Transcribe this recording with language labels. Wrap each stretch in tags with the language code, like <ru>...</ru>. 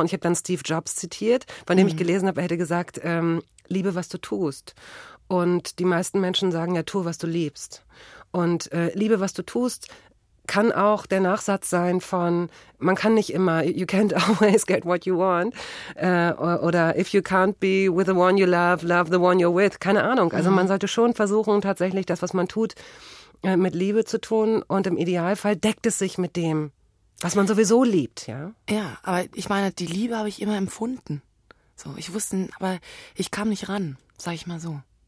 <de>Und ich habe dann Steve Jobs zitiert, von dem ich gelesen habe, er hätte gesagt, liebe, was du tust. Und die meisten Menschen sagen ja, tu, was du liebst. Und liebe, was du tust, kann auch der Nachsatz sein von, man kann nicht immer,</de> <en>you can't always get what you want.</en> <de>Oder</de> <en>if you can't be with the one you love, love the one you're with.</en> <de>Keine Ahnung. Also man sollte schon versuchen, tatsächlich das, was man tut, mit Liebe zu tun. Und im Idealfall deckt es sich mit dem, was man sowieso liebt. Ja, ja, aber ich meine, die Liebe habe ich immer empfunden. So, ich wusste, aber ich kam nicht ran, sag ich mal so.</de>